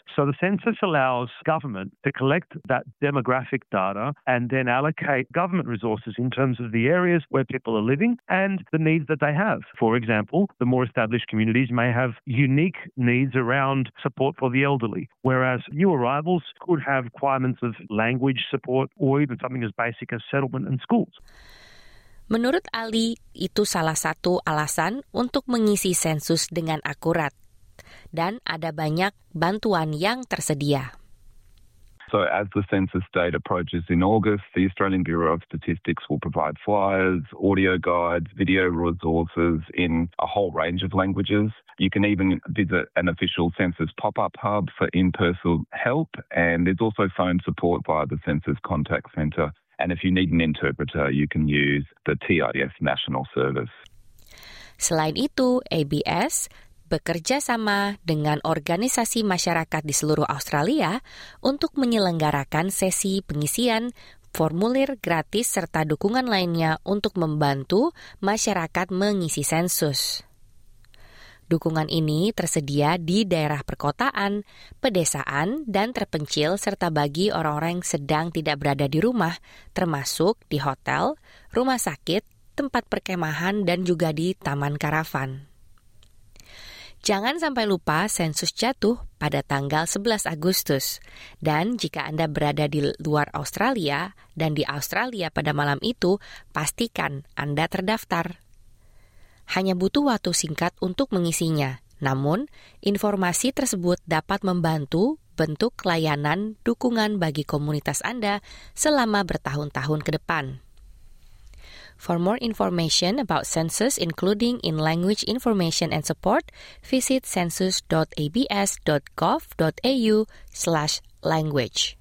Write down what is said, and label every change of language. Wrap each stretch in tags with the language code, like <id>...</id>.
<en>So the census allows government to collect that demographic data and then allocate government resources in terms of the areas where people are living and the needs that they have. For example, the more established communities may have unique needs around support for the elderly, whereas new arrivals could have requirements of language support or even something as basic as settlement and schools.</en> <id>Menurut Ali, itu salah satu alasan untuk mengisi sensus dengan akurat. Dan ada banyak bantuan yang tersedia.</id> <en>So as the census date approaches in August, the Australian Bureau of Statistics will provide flyers, audio guides, video resources in a whole range of languages. You can even visit an official census pop-up hub for in-person help, and there's also phone support via the Census Contact Centre. And if you need an interpreter, you can use the TIS National Service.</en> <id>Selain itu, ABS bekerja sama dengan organisasi masyarakat di seluruh Australia untuk menyelenggarakan sesi pengisian formulir gratis serta dukungan lainnya untuk membantu masyarakat mengisi sensus. Dukungan ini tersedia di daerah perkotaan, pedesaan, dan terpencil serta bagi orang-orang yang sedang tidak berada di rumah, termasuk di hotel, rumah sakit, tempat perkemahan, dan juga di taman karavan. Jangan sampai lupa sensus jatuh pada tanggal 11 Agustus. Dan jika Anda berada di luar Australia dan di Australia pada malam itu, pastikan Anda terdaftar. Hanya butuh waktu singkat untuk mengisinya. Namun, informasi tersebut dapat membantu bentuk layanan dukungan bagi komunitas Anda selama bertahun-tahun ke depan.</id> <en>For more information about census, including in language information and support, visit census.abs.gov.au/language.</en>